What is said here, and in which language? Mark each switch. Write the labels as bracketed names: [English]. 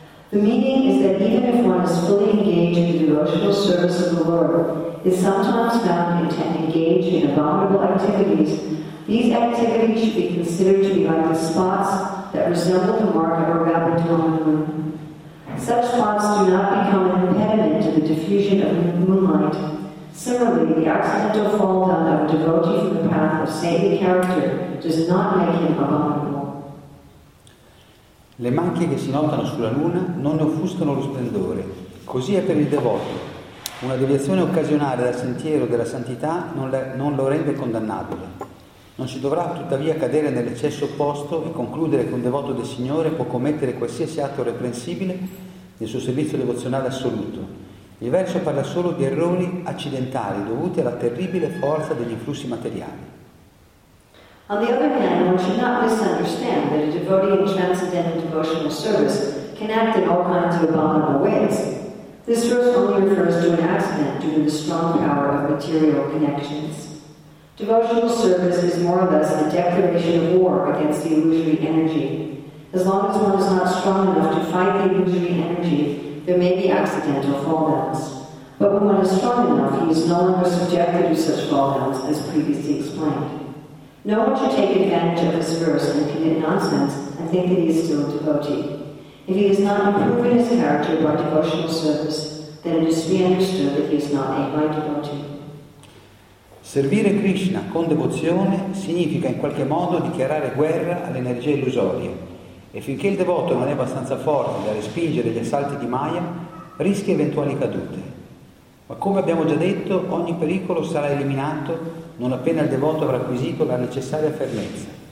[English] The meaning is that even if one is fully engaged in the devotional service of the Lord, is sometimes found engaged in abominable activities, these activities should be considered to be like the spots that resemble the mark of a rabbit on the moon. Such spots do not become an impediment to the diffusion of moonlight. Similarly, the accidental fall down of a devotee from the path of saintly character does not make him abominable. [Italian] Le macchie che si notano sulla luna non ne offuscano lo splendore. Così è per il devoto. Una deviazione occasionale dal sentiero della santità non lo rende condannabile. Non si dovrà tuttavia cadere nell'eccesso opposto e concludere che un devoto del Signore può commettere qualsiasi atto reprensibile nel suo servizio devozionale assoluto. Il verso parla solo di errori accidentali dovuti alla terribile forza degli influssi materiali. [English] On the other hand, one should not misunderstand that a devotee in transcendental devotional service can act in all kinds of abominable ways. This verse only refers to an accident due to the strong power of material connections. Devotional service is more or less a declaration of war against the illusory energy. As long as one is not strong enough to fight the illusory energy, there may be accidental falldowns. But when one is strong enough, he is no longer subjected to such falldowns as previously explained. No one should take advantage of this verse and commit nonsense and think that he is still a devotee. If he has not improved his character by devotional service, then it is to be understood that he is not a high devotee. [Italian] Servire Krishna con devozione significa in qualche modo dichiarare guerra alle energie illusorie, e finché il devoto non è abbastanza forte da respingere gli assalti di Maya, rischia eventuali cadute. Ma come abbiamo già detto, ogni pericolo sarà eliminato non appena il devoto avrà acquisito la necessaria fermezza.